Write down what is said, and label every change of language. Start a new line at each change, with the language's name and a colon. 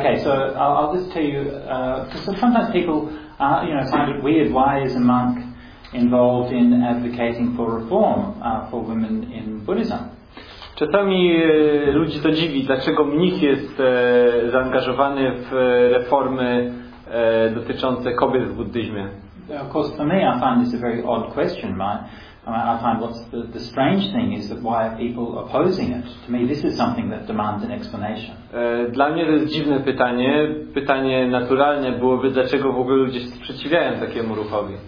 English: Okay, so I'll just tell you, because sometimes people find it weird, why is a monk involved in advocating for reform for women in Buddhism?
Polish: Czasami ludzi to dziwi, dlaczego mnich jest zaangażowany w reformy dotyczące kobiet w buddyzmie.
English: Of course, for me, I find this a very odd question, right? I find what's the strange thing is that why are people opposing it? To me, this is something that demands an explanation.
Polish: Dla mnie to jest dziwne pytanie. Pytanie naturalne byłoby, dlaczego w ogóle ludzie sprzeciwiają takiemu ruchowi.